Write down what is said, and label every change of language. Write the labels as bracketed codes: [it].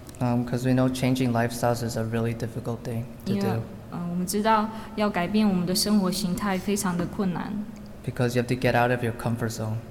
[en] Because we know changing lifestyles is a really difficult thing to do. [zh] 我们知道要改变我们的生活形态非常的困难。 [en] Because you have to get out of your comfort zone.